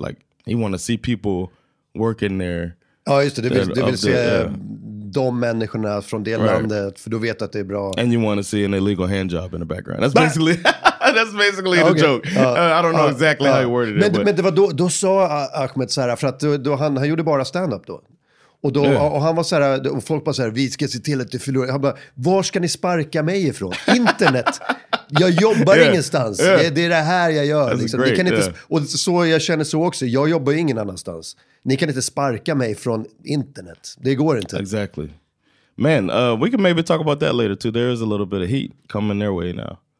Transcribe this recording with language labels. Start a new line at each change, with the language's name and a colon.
English: Like, he want to see people working there.
Swedish: Ja, just det. Du vill se de människorna från det, right, landet, för du vet att det är bra.
English: And you want to see an illegal handjob in the background. That's basically okay, the joke. I don't know exactly how you worded it.
Swedish: Men det var då sa Ahmed så här, för att då han gjorde bara stand-up då. Och, då, yeah, och han var så här, och folk bara så här, vi ska se till att du förlorar. Han bara, var ska ni sparka mig ifrån? Internet. Jag jobbar, yeah, ingenstans. Yeah. Det är det här jag gör. Liksom. Great, ni kan inte, yeah. Och så jag känner så också. Jag jobbar ingen annanstans. Ni kan inte sparka mig från internet. Det går inte.
English: Exactly. Man, we can maybe talk about that later too. There is a little bit of heat coming their way now.